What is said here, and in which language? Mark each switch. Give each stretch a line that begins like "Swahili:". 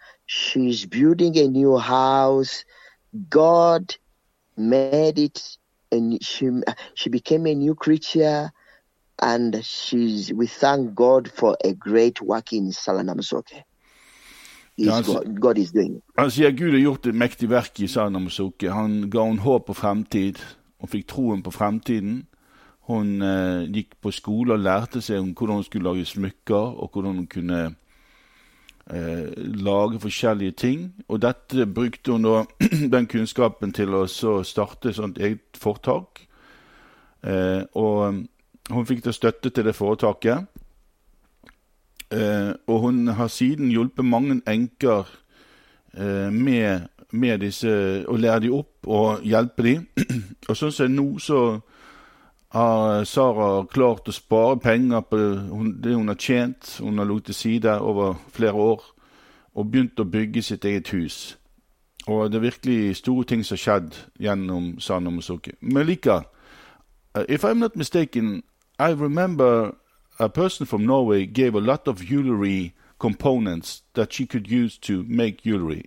English: She's building a new house. God made it, and she became a new creature, and we thank God for a great work in Sarah Namusoke. God is doing it.
Norwegian: Han sier Gud har gjort et mektig verk i Sarah Namusoke. Han ga hun håp på fremtid, hun fikk troen på fremtiden. Hun gikk på skole og lærte seg om hvordan hun skulle lage smykker, og hvordan hun kunne lage forskjellige ting, og dette brukte hun da den kunnskapen til å så starte sånt eget foretak, og hun fikk da støtte til det foretaket, og hun har siden hjulpet mange enker med disse, og lære dem opp og hjelpe dem, og sånn som nå så har Sara klart å spare penger på det hun har tjent, hun har lagt til side over flere år, og begynt å bygge sitt eget hus. Og det er virkelig store ting som har skjedd gjennom Sara Namusoke.
English: Muliika, if I'm not mistaken, I remember a person from Norway gave a lot of jewelry components that she could use to make jewelry.